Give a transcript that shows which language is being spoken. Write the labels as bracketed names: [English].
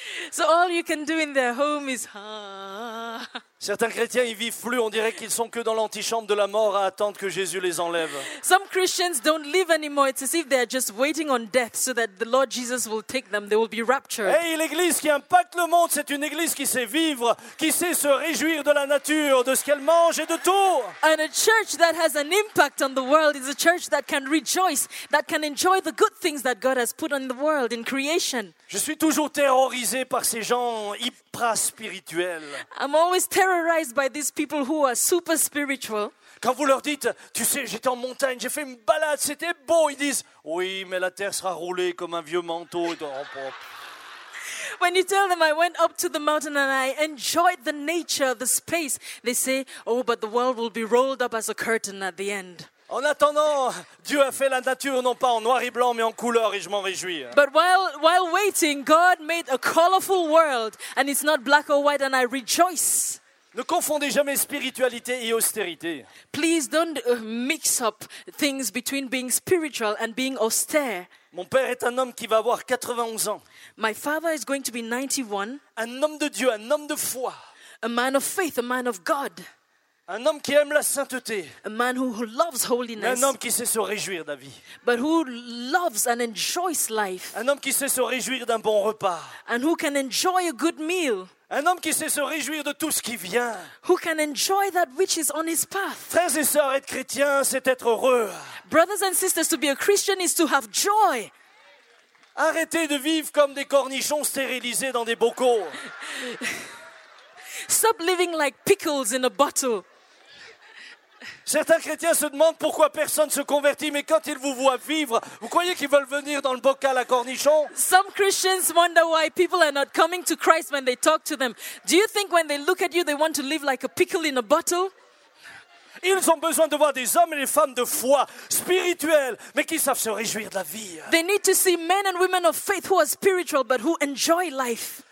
[English] So all you can do in their home is... Oh. [French] Certains chrétiens ils vivent plus, on dirait qu'ils sont que dans l'antichambre de la mort à attendre que Jésus les enlève. [English] Some Christians don't live anymore. It's as if they are just waiting on death so that the Lord Jesus will take them. They will be raptured. [French] Hey, l'église qui impacte le monde, c'est une église qui sait vivre, qui sait se réjouir de la nature, de ce qu'elle mange et de tout. [English] And a church that has an impact on the world is a church that can rejoice, that can enjoy the good things that God has put on the world in creation. [French] Je suis toujours terrorisé par ces gens hyper spirituels. [English] I'm always terrorized by these people who are super spiritual. [French] Quand vous leur dites, tu sais, j'étais en montagne, j'ai fait une balade, c'était beau, ils disent, oui, mais la terre sera roulée comme un vieux manteau. [English] When you tell them I went up to the mountain and I enjoyed the nature, the space, they say, oh, but the world will be rolled up as a curtain at the end. [French] En attendant, Dieu a fait la nature non pas en noir et blanc, mais en couleur, et je m'en réjouis. [English] But while waiting, God made a colorful world, and it's not black or white, and I rejoice. [French] Ne confondez jamais spiritualité et austérité. [English] Please don't mix up things between being spiritual and being austere. [French] Mon père est un homme qui va avoir 91 ans. [English] My father is going to be 91. [French] Un homme de Dieu, un homme de foi. [English] A man of faith, a man of God. [French] Un homme qui aime la sainteté. [English] A man who loves holiness. [French] Un homme qui sait se réjouir de la vie. [English] But who loves and enjoys life. [French] Un homme qui sait se réjouir d'un bon repas. [English] And who can enjoy a good meal. [French] Un homme qui sait se réjouir de tout ce qui vient. [English] Who can enjoy that which is on his path. [French] Frères et sœurs, être chrétien, c'est être heureux. [English] Brothers and sisters, to be a Christian is to have joy. [French] Arrêtez de vivre comme des cornichons stérilisés dans des bocaux. [English] Stop living like pickles in a bottle. [French] Certains chrétiens se demandent pourquoi personne se convertit, mais quand ils vous voient vivre, vous croyez qu'ils veulent venir dans le bocal à cornichons? [English] Some Christians wonder why people are not coming to Christ when they talk to them. Do you think when they look at you, they want to live like a pickle in a bottle? [French] Ils ont besoin de voir des hommes et des femmes de foi, spirituels, mais qui savent se réjouir de la vie. [English] They need to see men and women of faith who are spiritual but who enjoy life.